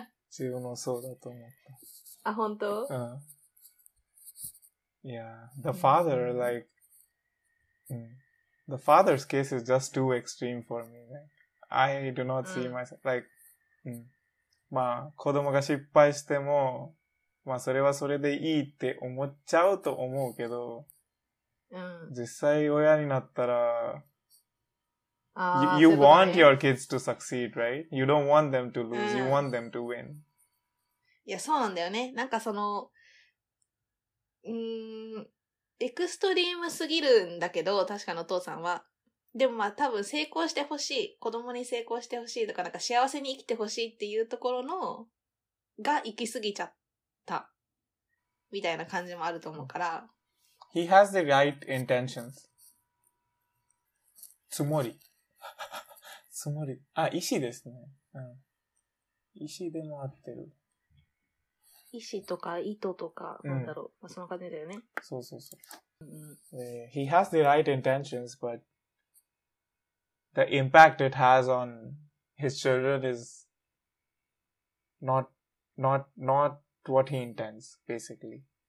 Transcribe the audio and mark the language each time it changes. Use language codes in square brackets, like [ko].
[ja] 自分もそうだと思った。あ、本当？うん。 [en] Yeah, the father, like, the father's case is just too extreme for me. Like, I do not see myself, like, [ja] まあ、子供が失敗しても、まあ、それはそれでいいって思っちゃうと思うけど、実際親になったら、 [en] you want your kids to succeed, right? You don't want them to lose, you want them to win. [ja] いや、そうなんだよね。なんかその、エクストリームすぎるんだけど、確かのお父さんは。でもまあ多分成功してほしい、子供に成功してほしいとか、なんか幸せに生きてほしいっていうところの、が行き過ぎちゃった。みたいな感じもあると思うから。 [en] He has the right intentions. [ja] つもり。つもり。あ、意思ですね。意思でも合ってる。意志とか意図とか、なんだろう。まあ、その感じだよね。そうそうそう。 [en] He has the right intentions, but the impact it has on his children is not what he intends, basically.